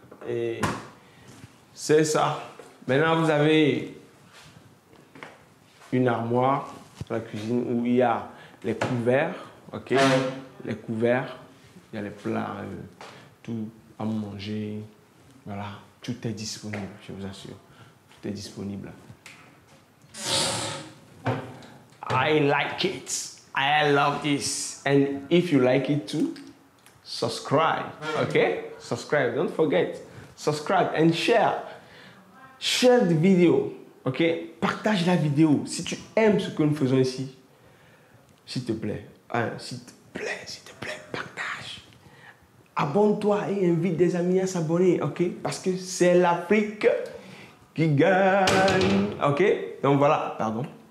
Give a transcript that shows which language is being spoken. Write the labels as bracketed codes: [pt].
[fr] Et c'est ça. Maintenant, vous avez une armoire dans la cuisine où il y a les couverts, ok? Les couverts, il y a les plats, tout à manger, voilà, tout est disponible, je vous assure, tout est disponible. [en] I like it, I love this, and if you like it too, subscribe, ok? Subscribe, don't forget, subscribe and share, share the video, ok? [fr] Partage la vidéo, si tu aimes ce que nous faisons ici. S'il te plaît, hein, s'il te plaît, partage. Abonne-toi et invite des amis à s'abonner, ok? Parce que c'est l'Afrique qui gagne, ok? Donc voilà, pardon.